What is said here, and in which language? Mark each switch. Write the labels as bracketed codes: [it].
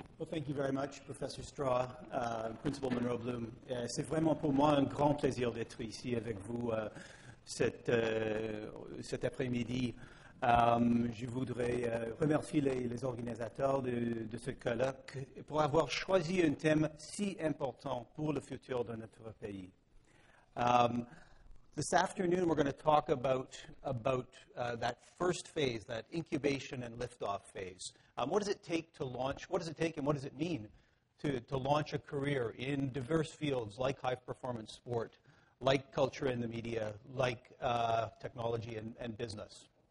[en] Thank you very much, Professor Straw, Principal Monroe Bloom. [fr] C'est vraiment pour moi un grand plaisir d'être ici avec vous cet après-midi. Je voudrais remercier les organisateurs de ce colloque pour avoir choisi un thème si important pour le futur de notre pays. [en] This afternoon, we're going to talk about that first phase, that incubation and liftoff phase. What does it take to launch? What does it take and what does it mean to launch a career in diverse fields like high performance sport, like culture and the media, like technology and business?